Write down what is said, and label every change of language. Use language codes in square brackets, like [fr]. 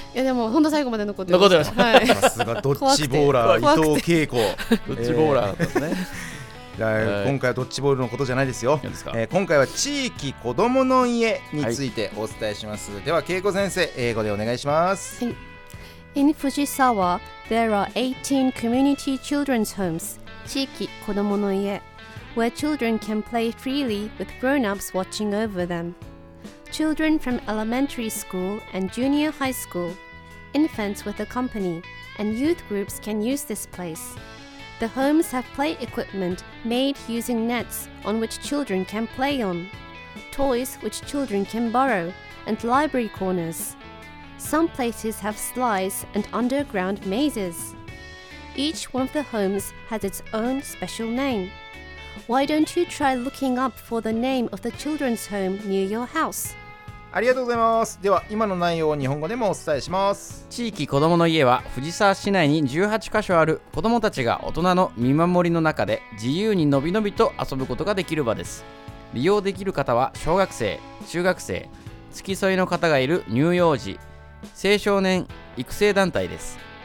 [ja] いやでも本当最後まで残ってます。残ってました。さすがドッジボーラー伊藤恵子。ドッジボーラーだったね。今回はドッジボールのことじゃないですよ。いいですか。今回は地域子どもの家についてお伝えします。はい、では恵子先生、英語でお願いします。 [en] In Fujisawa, there are 18 community children's homes, 地域子どもの家, where children can play freely with grown-ups watching over them. Children from elementary school and junior high school, infants with a company, and youth groups can use this place. The homes have play equipment made using nets on which children can play on, toys which children can borrow, and library corners. Some places have slides and underground mazes. Each one of the homes has its own special name. Why don't you try looking up for the name of the children's home near your house? [ja] ありがとうございます。では今の内容を日本語でもお伝えします。地域子どもの家は藤沢市内に18箇所ある、子どもたちが大人の見守りの中で自由にのびのびと遊ぶことができる場です。利用できる方は小学生、中学生、付き添いの方がいる乳幼児、青少年育成団体です。